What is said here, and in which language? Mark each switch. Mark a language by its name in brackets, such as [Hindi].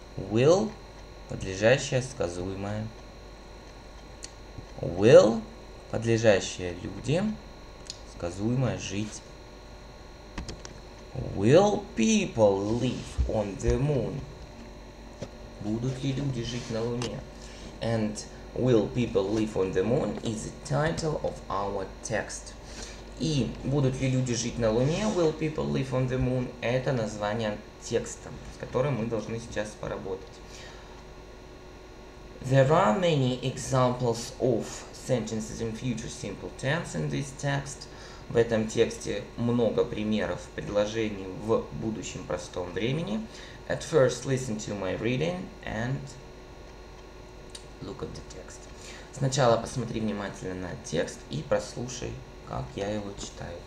[Russian] Will – подлежащее сказуемое. Will – подлежащее люди, сказуемое жить. [English] Will people live on the moon? [Russian] Будут ли люди жить на Луне? [English] And will people live on the moon is the title of our text. [Russian] И будут ли люди жить на Луне? [English] Will people live on the moon? [Russian] Это название текста, с которым мы должны сейчас поработать. [English] There are many examples of sentences in future simple tense in this text. [Russian] В этом тексте много примеров предложений в будущем простом времени. [English] At first, listen to my reading and look at the text. [Russian] Сначала посмотри внимательно на текст и прослушай, как я его читаю.